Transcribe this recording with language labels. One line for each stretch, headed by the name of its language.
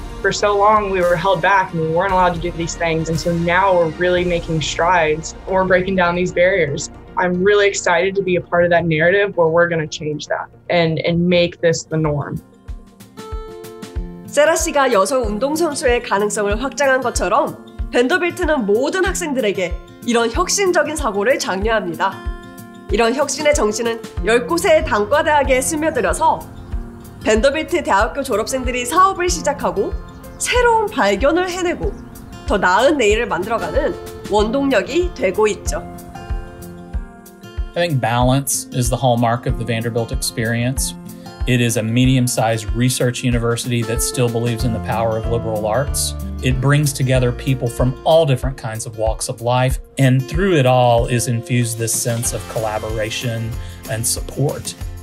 English: For so long, we were held back and we weren't allowed to do these things. And so now we're really making strides. We're breaking down these barriers. I'm really excited to be a part of that narrative where we're going to change that and make this the norm.
Korean: 세라 씨가 여성 운동선수의 가능성을 확장한 것처럼 벤더빌트는 모든 학생들에게 이런 혁신적인 사고를 장려합니다. 이런 혁신의 정신은 10곳의 단과대학에 스며들어서 벤더빌트 대학교 졸업생들이 사업을 시작하고 새로운 발견을 해내고 더 나은 내일을 만들어가는 원동력이 되고 있죠.
English: I think balance is the hallmark of the Vanderbilt experience. It is a medium-sized research university that still believes in the power of liberal arts. It brings together people from all different kinds of walks of life, and through it all is infused this sense of collaboration and support.